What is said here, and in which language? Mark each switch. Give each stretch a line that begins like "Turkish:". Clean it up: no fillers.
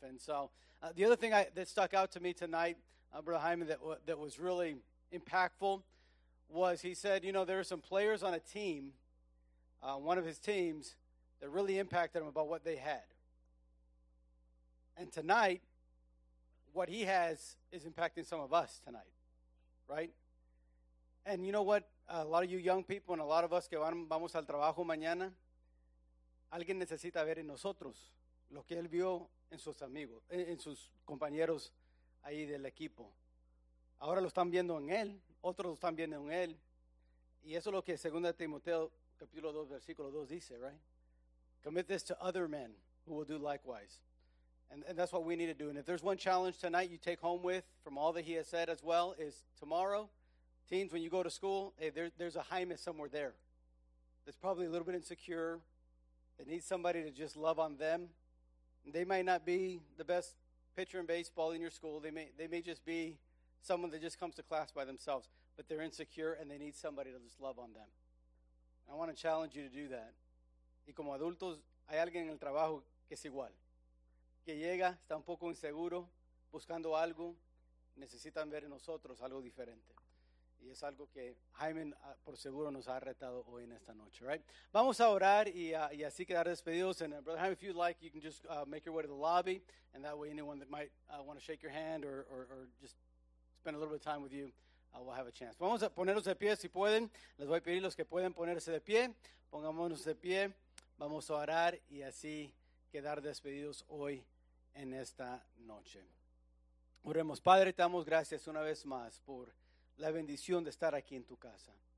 English: And so the other thing that stuck out to me tonight, Brother Hyman, that was really impactful was he said, you know, there are some players on a team, one of his teams, that really impacted him about what they had. And tonight, what he has is impacting some of us tonight, right? And you know what? A lot of you young people and a lot of us
Spanish: que vamos al trabajo mañana, alguien necesita ver en nosotros lo que él vio en sus amigos, en sus compañeros ahí del equipo. Ahora lo están viendo en él, otros lo están viendo en él. Y eso es lo que 2 Timoteo capítulo 2, versículo 2 dice, right?
English: Commit this to other men who will do likewise. And that's what we need to do. And if there's one challenge tonight you take home with from all that he has said as well is tomorrow, teens, when you go to school, hey, there's a Hymas somewhere there that's probably a little bit insecure, that needs somebody to just love on them. And they might not be the best pitcher in baseball in your school. They may just be someone that just comes to class by themselves, but they're insecure and they need somebody to just love on them. And I want to challenge you to do that.
Spanish: Y como adultos, hay alguien en el trabajo que es igual. Que llega, está un poco inseguro, buscando algo, necesitan ver en nosotros algo diferente. Y es algo que Hyman por seguro nos ha retado hoy en esta noche, right? Vamos a orar y así quedar despedidos.
English: And Brother Hyman, if you'd like, you can just make your way to the lobby. And that way anyone that might want to shake your hand or just spend a little bit of time with you, we'll have a chance.
Spanish: Vamos a ponernos de pie si pueden. Les voy a pedir los que pueden ponerse de pie. Pongámonos de pie. Vamos a orar y así quedar despedidos hoy en esta noche. Oremos, Padre, te damos gracias una vez más por la bendición de estar aquí en tu casa.